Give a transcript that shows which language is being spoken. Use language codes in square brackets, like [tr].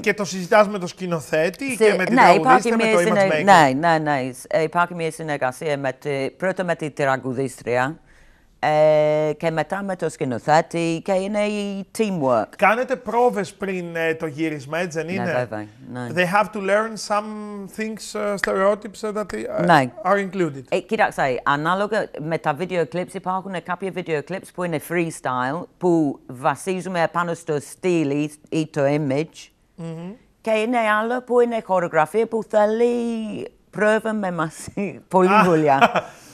[el] Και το συζητάς με το σκηνοθέτη και με την τραγουδίστρια, με το [en] Image Maker. [el] Υπάρχει μια συνεργασία πρώτα με την τραγουδίστρια και μετά με το σκηνοθέτη και είναι η teamwork. Κάνετε πρόβες πριν το γύρισμα, έτσι δεν είναι? Ναι, βέβαια. [en] They have to learn some things, stereotypes that are included. [el] Κοίταξε, ανάλογα με τα video clips, υπάρχουν κάποια video clips που είναι freestyle, που βασίζουμε πάνω στο στυλ ή το image. Mm-hmm. Και είναι άλλο που είναι χορογραφία που θέλει πρόβα με μαζί, πολύ δουλειά.